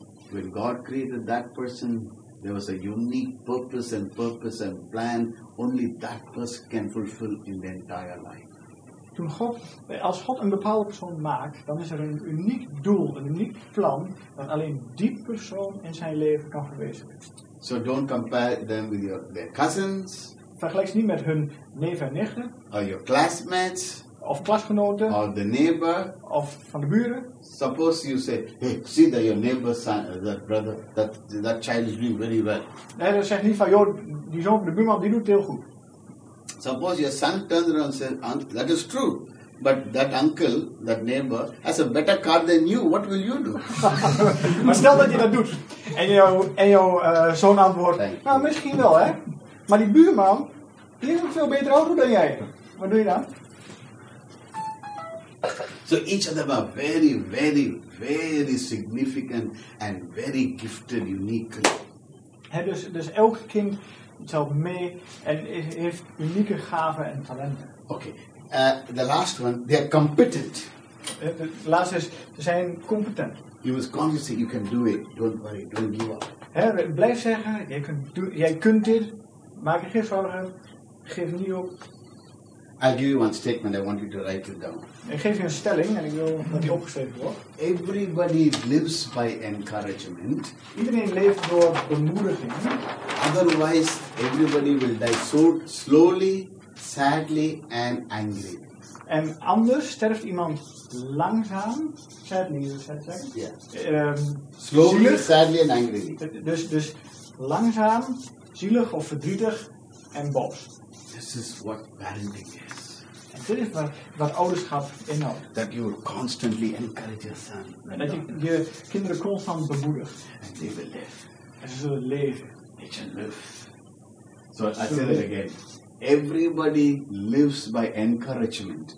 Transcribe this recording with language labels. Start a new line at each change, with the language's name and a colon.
English: When God created that person, there was a unique purpose and plan only that person can fulfill in the entire life.
Dutch: Toen God, als God een bepaalde persoon maakt, dan is er een uniek doel, een uniek plan dat alleen die persoon in zijn leven kan verwezenlijken.
English: So don't compare them with their cousins.
Dutch: Vergelijk ze niet met hun neef en nichten.
English: Or your classmates.
Dutch: Of klasgenoten.
English: Or the neighbor.
Dutch: Of van de buren.
English: Suppose you say, hey, see that your neighbor's son, that brother, that child is doing very well.
Dutch: Nee, dat zegt niet van, joh, die zoon van de buurman, die doet heel goed.
English: Suppose your son turns around and says, that is true, but that uncle, that neighbor, has a better car than you, what will you do?
Dutch: Maar stel dat je dat doet. En jouw zoon antwoordt, nou misschien wel hè. Maar die buurman, die heeft een veel betere auto dan jij. Wat doe je dan?
English: So each of them are very, very, very significant and very gifted, uniquely.
Dutch: Dus elk kind telt mee en heeft unieke gaven en talenten.
English: Okay. The last one, they are competent.
Dutch: De laatste is, ze zijn competent.
English: He was conscious that you can do it. Don't worry, don't give up.
Dutch: Blijf zeggen, jij kunt dit. Maak je geen zorgen. Geef niet op.
English: I'll give you one statement, I want you to write it down.
Dutch: Ik geef je een stelling en ik wil dat die opgeschreven wordt.
English: Everybody lives by encouragement.
Dutch: Iedereen leeft door bemoediging.
English: Otherwise, everybody will die so slowly, sadly and angry.
Dutch: En anders sterft iemand langzaam, sadly, is het zeggen? Ja.
English: Slowly, zielig, sadly and angry.
Dutch: Dus langzaam, zielig of verdrietig en boos.
English: This is what parenting is.
Dutch: En dit is wat ouderschap inhoudt.
English: That you will constantly encourage your son.
Dutch: Dat je kinderen constant bemoedigt.
English: And they will live.
Dutch: En ze zullen leven.
English: They shall live. So I say that again. Everybody lives by encouragement.